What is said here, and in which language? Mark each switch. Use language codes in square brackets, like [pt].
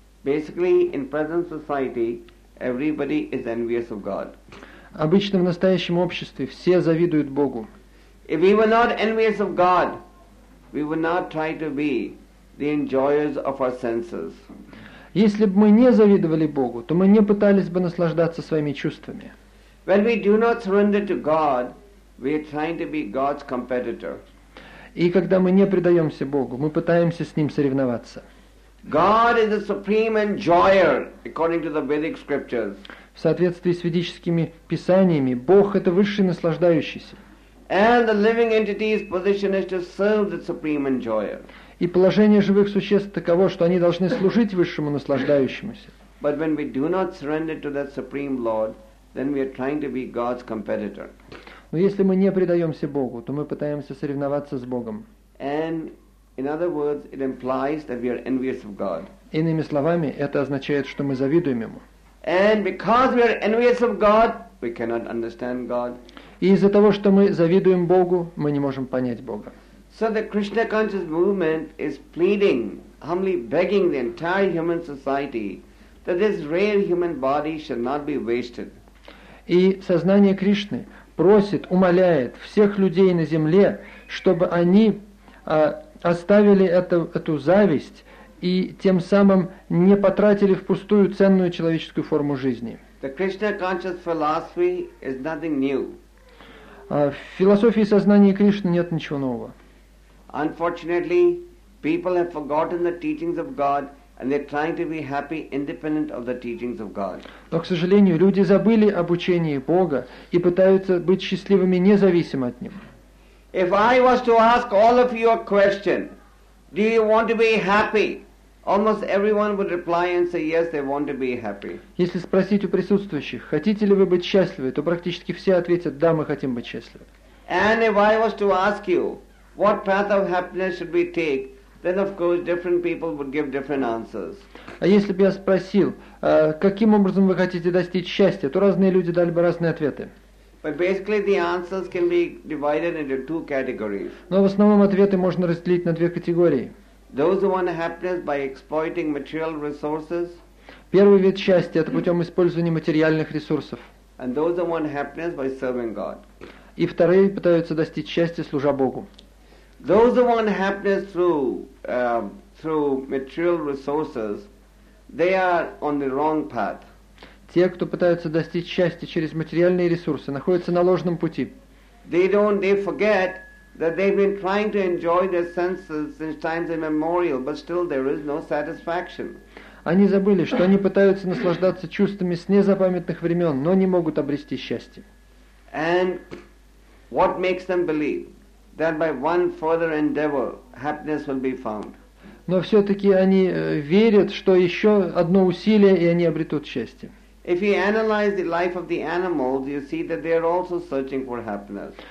[en] Basically, in present society, everybody is envious of God. [ru] Обычно в настоящем обществе все завидуют Богу. [en] If we were not envious of God, we would not try to be the enjoyers of our senses. [ru] Если бы мы не завидовали Богу, то мы не пытались бы наслаждаться своими чувствами. [en] When we do not surrender to God, we are trying to be God's competitor. [ru] И когда мы не предаемся Богу, мы пытаемся с Ним соревноваться. [en] God is the supreme enjoyer, according to the Vedic scriptures. [ru] В соответствии с ведическими писаниями, Бог — это высший наслаждающийся. [en] And the living entity's position is to serve the supreme enjoyer. [ru] И положение живых существ таково, что они должны служить высшему наслаждающемуся. [en] But when we do not surrender to that supreme Lord, then we are trying to be God's competitor. [ru] Но если мы не предаемся Богу, то мы пытаемся соревноваться с Богом. [en] And in other words, it implies that we are envious of God. [ru] Иными словами, это означает, что мы завидуем Ему. [en] And because we are envious of God, we cannot understand God. [ru] И из-за того, что мы завидуем Богу, мы не можем понять Бога. [en] So the Krishna conscious movement is pleading, humbly begging the entire human society that this rare human body should not be wasted. [ru] И сознание Кришны просит, умоляет всех людей на земле, чтобы они оставили эту зависть и тем самым не потратили впустую ценную человеческую форму жизни. [en] The Krishna conscious philosophy is nothing new. [ru] В философии сознания Кришны нет ничего нового. [en] Unfortunately, people have forgotten the teachings of God and they're trying to be happy independent of the teachings of God. [ru] Но, к сожалению, люди забыли об учении Бога и пытаются быть счастливыми независимо от Него. [en] If I was to ask all of you a question, do you want to be happy? Almost everyone would reply and say yes, they want to be happy. [ru] Если спросить у присутствующих, хотите ли вы быть счастливы, то практически все ответят: да, мы хотим быть счастливы. [en] And if I was to ask you, what path of happiness should we take? Then, of course, different people would give different answers. [ru] А если бы я спросил, каким образом вы хотите достичь счастья, то разные люди дали бы разные ответы. [en] But basically, the answers can be divided into two categories. [ru] Но в основном ответы можно разделить на две категории. [en] Those who want happiness by exploiting material resources. [ru] Первый вид счастья — это путем использования материальных ресурсов. [en] And those who want happiness by serving God. [ru] И вторые пытаются достичь счастья, служа Богу. [en] Those who want happiness through material resources, they are on the wrong path. [ru] Те, кто пытаются достичь счастья через материальные ресурсы, находятся на ложном пути. [en] They forget that they've been trying to enjoy their senses since times immemorial, but still there is no satisfaction. [ru] Они забыли, что они пытаются наслаждаться чувствами с незапамятных времен, но не могут обрести счастье. [en] And what makes them believe that by one further endeavor happiness will be found? [ru] Но все-таки они верят, что еще одно усилие, и они обретут счастье. [en] If you analyze the life of the animals, you see that they are also searching for happiness.